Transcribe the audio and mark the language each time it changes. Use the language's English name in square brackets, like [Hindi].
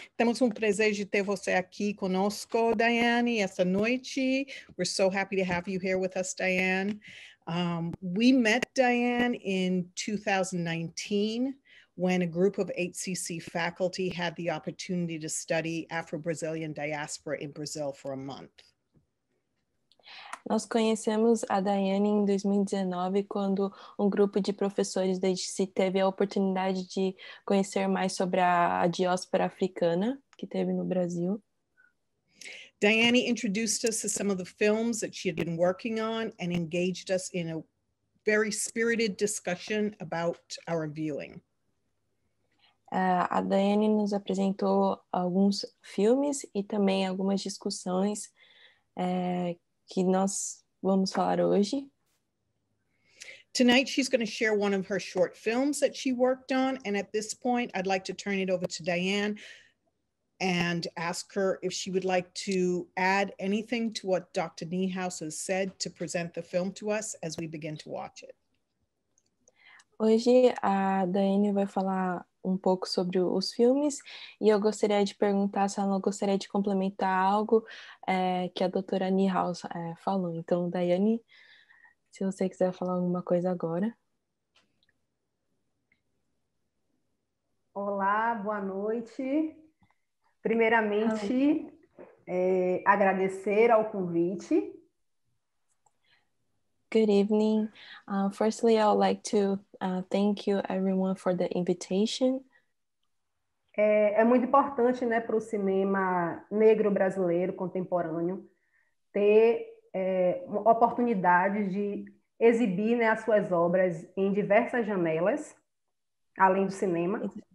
[Portuguese] Temos prazer de ter você aqui conosco, Diane, essa noite. [English] We're so happy to have you here with us, Diane. We met Diane in 2019 when a group of HCC faculty had the opportunity to study Afro-Brazilian diaspora in Brazil for a month. [Portuguese] Nós conhecemos a Diane em 2019, quando um grupo de professores da HCC teve a oportunidade de conhecer mais sobre a diáspora africana que teve no Brasil. [English] Diane introduced us to some of the films that she had been working on and engaged us in a very spirited discussion about our viewing. [Portuguese] A Diane nos apresentou alguns filmes e também algumas discussões que nós vamos falar hoje. [English] Tonight she's going to share one of her short films that she worked on, and at this point I'd like to turn it over to Diane and ask her if she would like to add anything to what Dr. Niehaus has said to present the film to us as we begin to watch it. [Portuguese] Hoje a Diane vai falar um pouco sobre os filmes e eu gostaria de perguntar se ela gostaria de complementar algo que a doutora Niehaus falou. Então, Diane, se você quiser falar alguma coisa agora. Olá, boa noite. Primeiramente, agradecer ao convite. [English] Good evening. Firstly, I would like to thank you everyone for the invitation. [Portuguese] É muito importante, né, para o cinema negro brasileiro contemporâneo ter oportunidade de exibir, né, as suas obras em diversas janelas, além do cinema.